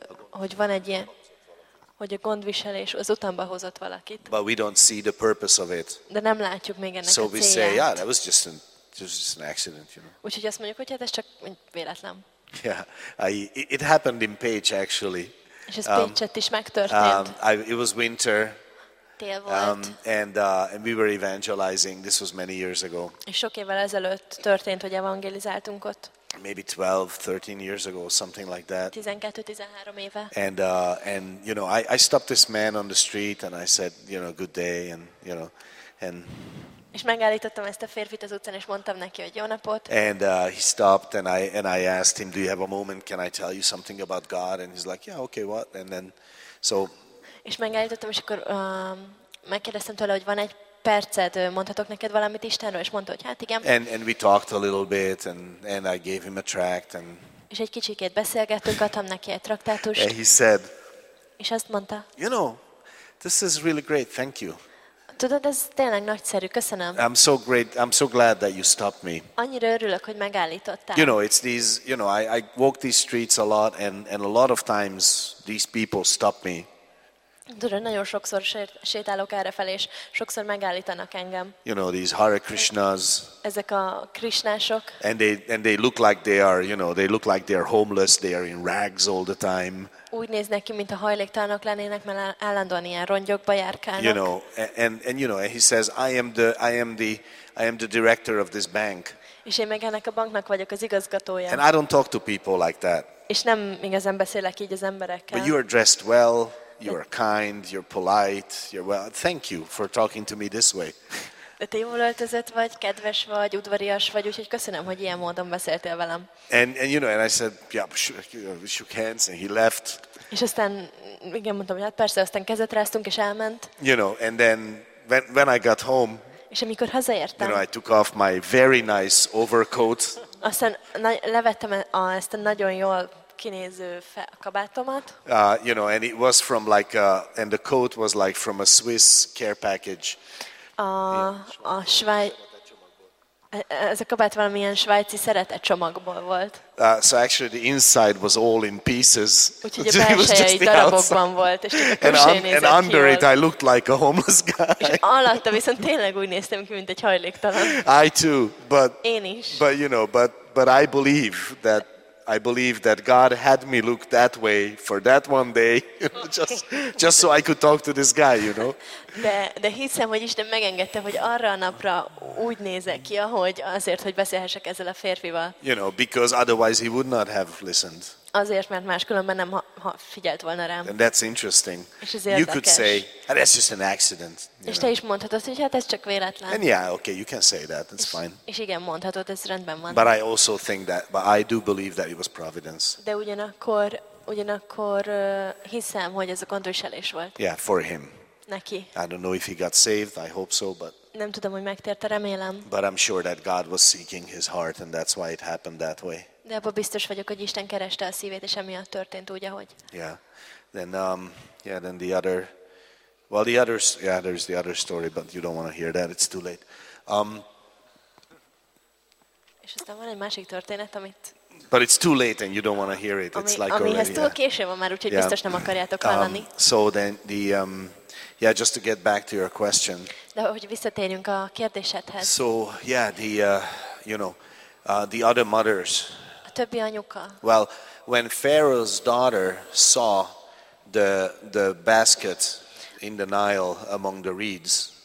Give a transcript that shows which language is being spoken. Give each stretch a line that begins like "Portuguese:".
Hungarian: Hogy van egy ilyen, hogy a gondviselés az utamba hozott valakit.
English: But we don't see the purpose of it.
Hungarian: De nem látjuk még ennek
English: so
Hungarian: a célját.
English: So we say, yeah, that was just an accident, you know.
Hungarian: Úgyhogy azt mondjuk, hogy hát ez csak véletlen.
English: Yeah, it happened in Pécs, actually.
Hungarian: És ez Pécset is megtörtént.
English: It was winter.
Hungarian: Tél volt.
English: And we were evangelizing. This was many years ago.
Hungarian: És sok évvel ezelőtt történt, hogy evangelizáltunk ott.
English: Maybe 12, 13 years ago, something like that.
Hungarian: 12-13 éve.
English: And you know, I stopped this man on the street and I said, you know, good day, and you know, and.
Hungarian: És megállítottam ezt a férfit az utcán és mondtam neki, hogy jó napot.
English: And he stopped and I asked him, do you have a moment? Can I tell you something about God? And he's like, yeah, okay, what? And then, so.
Hungarian: És megállítottam és akkor megkérdeztem tőle, hogy van egy percet, mondhatok neked valamit Istenről, és mondta, hogy hát igen.
English: And we talked a little bit, and I gave him a tract, and.
Hungarian: És egy kicsikét beszélgettünk, adtam neki egy traktátust.
English: And he said.
Hungarian: És azt mondta.
English: You know, this is really great. Thank you.
Hungarian: Tudod, ez tényleg nagyszerű. Köszönöm.
English: I'm so great. I'm so glad that you stopped me.
Hungarian: Annyira örülök, hogy megállítottál.
English: You know, it's these. You know, I walk these streets a lot, and a lot of times these people stop me.
Hungarian: Tudod, nagyon sokszor sétálok errefelé, és sokszor megállítanak engem.
English: You know, these Hare Krishnas.
Hungarian: Ezek a krisnások.
English: And they look like they are, you know, they look like they are homeless, they are in rags all the time.
Hungarian: Úgy néznek ki, mint a hajléktalanok lennének, mert állandóan ilyen rongyokba járkálnak.
English: You know, and you know, and he says, I am the director of this bank.
Hungarian: És én meg ennek a banknak vagyok az igazgatója.
English: And I don't talk to people like that.
Hungarian: És nem igazán beszélek így az emberekkel.
English: But you are dressed well. You are kind, you're polite, you're well. Thank you for talking to me this way.
Hungarian: De te jól öltözött vagy, kedves vagy, udvarias vagy, úgyhogy köszönöm, hogy ilyen módon beszéltél velem.
English: And you know, and I said, yeah, we shook hands and he left.
Hungarian: És aztán igen mondtam, hogy hát persze, aztán kezet ráztunk és elment.
English: You know, and then when I got home.
Hungarian: És amikor hazaértem.
English: You know, I took off my very nice overcoat.
Hungarian: Aztán levettem ezt a nagyon jól kinéző kabátomat.
English: You know, and it was from like and the coat was like from a Swiss care package.
Hungarian: A Svájc. ez a kabát valamilyen svájci szeretett csomagból volt.
English: So actually the inside was all in pieces.
Hungarian: Úgyhogy a belseje egy darabokban volt, és csak a külsője nézett ki.
English: And under it I looked like a homeless guy.
Hungarian: És alatta viszont tényleg úgy néztem ki, mint egy hajléktalan.
English: I too, but
Hungarian: én is.
English: But you know, but I believe that God had me look that way for that one day, just so I could talk to this guy, you know.
Hungarian: De hiszem, hogy Isten megengedte, hogy arra a napra úgy nézek ki, ahogy azért, hogy beszélhessek ezzel a férfival.
English: You know, because otherwise he would not have listened.
Hungarian: Azért, mert máskülönben nem ha figyelt volna rám.
English: And that's interesting.
Hungarian: És ez érdekes.
English: You could say, hey, that's just an accident.
Hungarian: És te is mondhatod, hogy hát ez csak véletlen.
English: And yeah, okay, you can say that, that's fine.
Hungarian: És igen, mondhatod, ez rendben van.
English: But I also think that, but I do believe that it was providence.
Hungarian: De ugyanakkor hiszem, hogy ez a gondviselés volt.
English: Yeah, for him.
Hungarian: Neki.
English: I don't know if he got saved, I hope so, but.
Hungarian: Nem tudom, hogy megtérte, remélem.
English: But I'm sure that God was seeking his heart and that's why it happened that way.
Hungarian: De abban biztos vagyok, hogy Isten kereste a szívét, és emiatt történt úgy, ahogy.
English: Yeah. Then the other, well, the others, yeah, there's the other story, but you don't want to hear that, it's too late.
Hungarian: És aztán van egy másik történet, amit.
English: But it's too late and you don't want to hear it. It's like already.
Hungarian: Amihez túl késő van már, úgyhogy biztos nem akarjátok hallani.
English: So then the yeah, just to get back to your question.
Hungarian: De hogy visszatérjünk a kérdésedhez.
English: So, yeah, the you know, the other mothers. Well, when Pharaoh's daughter saw the basket in the Nile among the reeds.